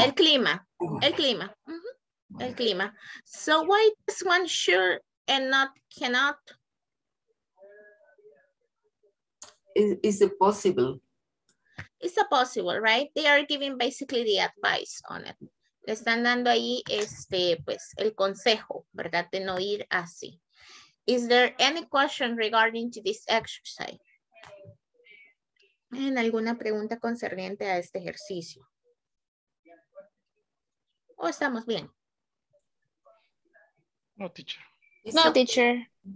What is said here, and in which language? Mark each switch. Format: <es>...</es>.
<es>El clima. Uh-huh. El clima. Mm-hmm. El clima.</es> <en>So why this one sure and not cannot? Is it possible? It's a possible, right? They are giving basically the advice on it.</en> <es>Le están dando ahí este, pues, el consejo, ¿verdad? De no ir así.</es> <en>Is there any question regarding to this exercise?</en> <es>¿En alguna pregunta concerniente a este ejercicio? ¿O estamos bien?</es> <en>No, teacher. No, teacher.</en>